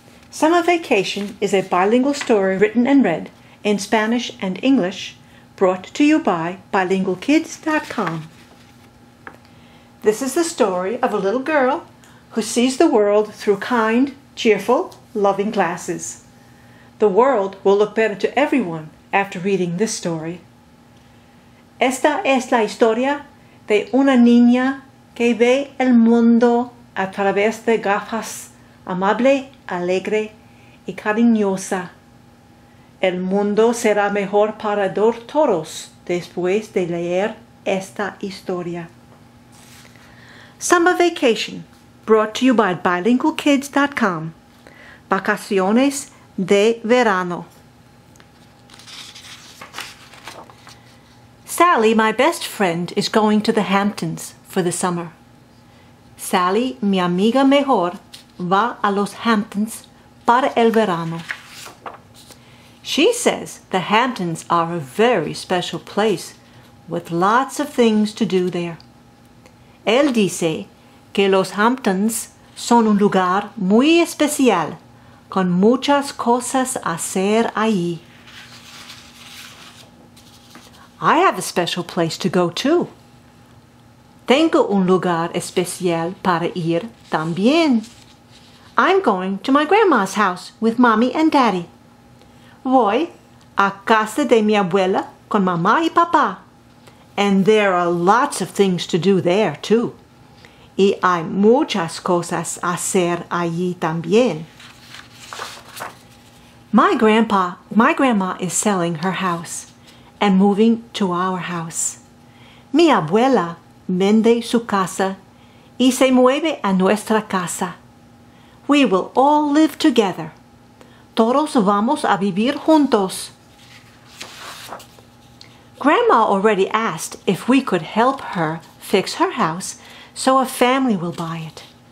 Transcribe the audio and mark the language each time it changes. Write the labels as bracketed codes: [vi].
[en] Summer Vacation is a bilingual story written and read in Spanish and English, brought to you by bilingualkids.com. This is the story of a little girl who sees the world through kind, cheerful, loving glasses. The world will look better to everyone after reading this story. [es] Esta es la historia de una niña que ve el mundo a través de gafas amable, alegre y cariñosa. El mundo será mejor para todos después de leer esta historia. [en] Summer Vacation, brought to you by bilingualkids.com. [es] Vacaciones de verano. [en] Sally, my best friend, is going to the Hamptons for the summer. [es] Sally, mi amiga mejor, va a los Hamptons para el verano. [en] She says the Hamptons are a very special place with lots of things to do there. [es] Él dice que los Hamptons son un lugar muy especial con muchas cosas a hacer allí. [en] I have a special place to go too. [es] Tengo un lugar especial para ir también. [en] I'm going to my grandma's house with mommy and daddy. [es] Voy a casa de mi abuela con mamá y papá. [en] And there are lots of things to do there, too. [es] Y hay muchas cosas a hacer allí también. [en] My grandma is selling her house and moving to our house. [es] Mi abuela vende su casa y se mueve a nuestra casa. [en] We will all live together. [es] Todos vamos a vivir juntos. [en] Grandma already asked if we could help her fix her house so a family will buy it.